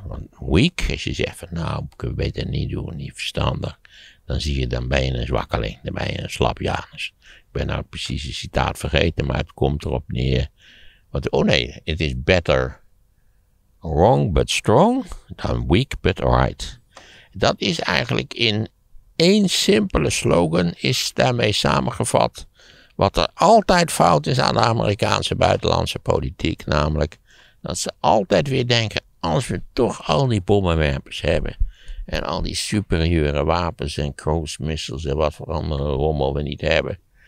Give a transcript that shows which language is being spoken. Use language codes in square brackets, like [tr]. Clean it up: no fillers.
[nl] Want weak, als je zegt van nou, kunnen we beter niet doen, niet verstandig, dan zie je dan bijna een zwakkeling, dan ben je een slap Janus. Ik ben nou precies een citaat vergeten, maar het komt erop neer. [en] It is better wrong but strong, dan weak but right. [nl] Dat is eigenlijk in één simpele slogan is daarmee samengevat wat er altijd fout is aan de Amerikaanse buitenlandse politiek. Namelijk dat ze altijd weer denken, als we toch al die bommenwerpers hebben En al die superieure wapens en cruise missiles en wat voor andere rommel we niet hebben.